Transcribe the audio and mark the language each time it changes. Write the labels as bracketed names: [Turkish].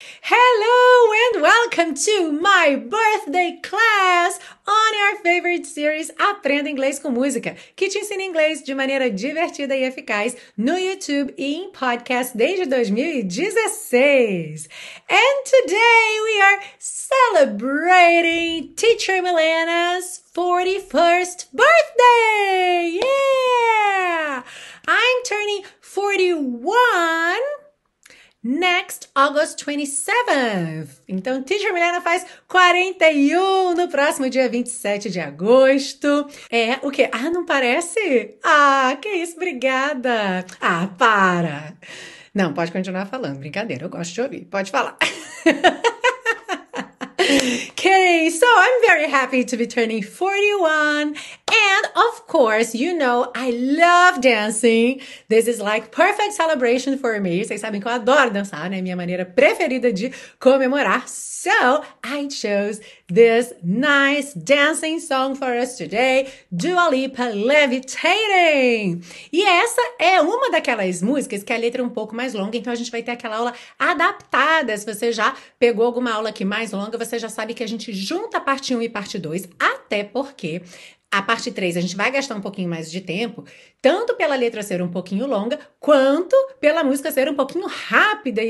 [English] Hello and welcome to my birthday class on our favorite series Aprenda Inglês com Música, [Portuguese] que te ensina inglês de maneira divertida e eficaz no YouTube e em podcast desde 2016. [English] And today we are celebrating Teacher Milena's 41st birthday! Yeah! I'm turning 41... Next, August 27th. [Portuguese] Então, Teacher Milena faz 41 no próximo dia 27 de agosto. É o quê? Ah, não parece? Ah, que isso, obrigada. Ah, para. Não, pode continuar falando, brincadeira, eu gosto de ouvir. Pode falar. [English] Okay, so I'm very happy to be turning 41. And of course, you know, I love dancing. This is like perfect celebration for me. [Portuguese] Vocês sabem que eu adoro dançar, né? Minha maneira preferida de comemorar. [English] So I chose this nice dancing song for us today, Dua Lipa Levitating. [Portuguese] E essa é uma daquelas músicas que a letra é um pouco mais longa, então a gente vai ter aquela aula adaptada. Se você já pegou alguma aula aqui mais longa, você já sabe que a gente junta parte 1 e parte 2, até porque a parte 3 a gente vai gastar um pouquinho mais de tempo, tanto pela letra ser um pouquinho longa, quanto pela música ser um pouquinho rápida.